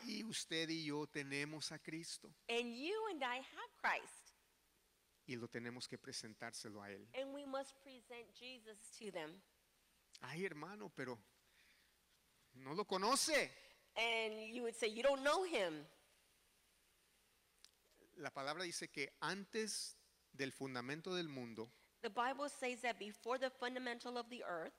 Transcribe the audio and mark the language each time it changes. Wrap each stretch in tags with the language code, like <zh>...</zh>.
<es>Y usted y yo tenemos a Cristo.</es> <en>And you and I have Christ.</en> <es>Y lo tenemos que presentárselo a él.</es> <en>And we must present Jesus to them.</en> <es>Ay, hermano, pero no lo conoce.</es> <en>And you would say you don't know him.</en> <es>La palabra dice que antes del fundamento del mundo,</es> <en>the Bible says that before the fundamental of the earth,</en>